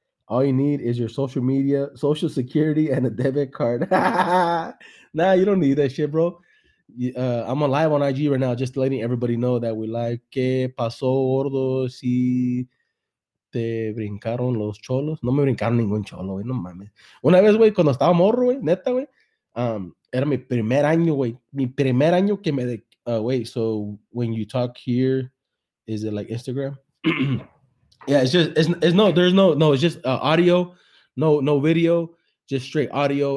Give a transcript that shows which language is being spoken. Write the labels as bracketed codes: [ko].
[en] All you need is your social media, social security, and a debit card. Nah, you don't need that shit, bro. I'm live on IG right now, just letting everybody know that we live. [es] ¿Qué pasó, gordo? Si te brincaron los cholos. No me brincaron ningún cholo, güey. No mames. Una vez, güey, cuando estaba morro, güey, neta, güey, era mi primer año, güey. Mi primer año que me... [en] wait, so when you talk here, is it like Instagram? Yeah, it's just audio, no video, just straight audio.